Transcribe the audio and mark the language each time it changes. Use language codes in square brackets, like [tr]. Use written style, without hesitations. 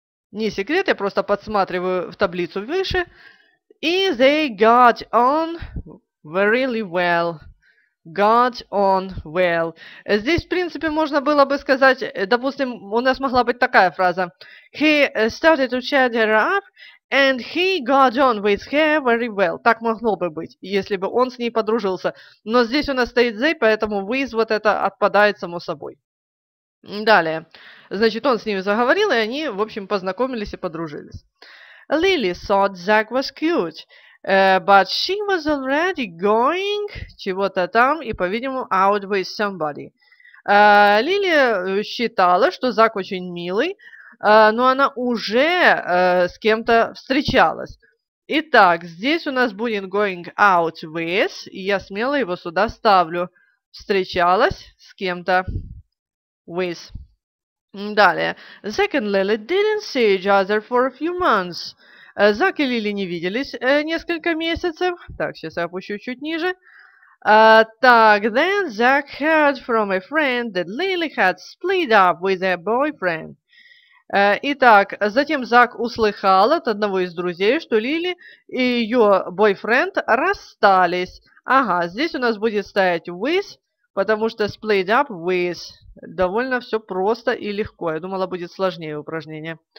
[ru] Не секрет, я просто подсматриваю в таблицу выше. [en] И they got on really well. Got on well. [ru] Здесь, в принципе, можно было бы сказать, допустим, у нас могла быть такая фраза. [en] He started to chat her up, and he got on with her very well. [ru] Так могло бы быть, если бы он с ней подружился. Но здесь у нас стоит they, поэтому with вот это отпадает само собой. Далее. Значит, он с ними заговорил, и они, в общем, познакомились и подружились. [en] Lily thought Zack was cute. But she was already going [ru] чего-то там и, по-видимому, [en] out with somebody. [ru] Лили считала, что Зак очень милый, но она уже с кем-то встречалась. Итак, здесь у нас будет going out with, и я смело его сюда ставлю. Встречалась с кем-то with. [en] Далее. Zack and Lily didn't see each other for a few months. [ru] Зак и Лили не виделись несколько месяцев. Так, сейчас я опущу чуть ниже. [en] Так, then Zack heard from a friend that Lily had split up with her boyfriend. [ru] Итак, затем Зак услыхал от одного из друзей, что Лили и ее бойфренд расстались. Ага, здесь у нас будет стоять with, потому что split up with. Довольно все просто и легко. Я думала, будет сложнее упражнение.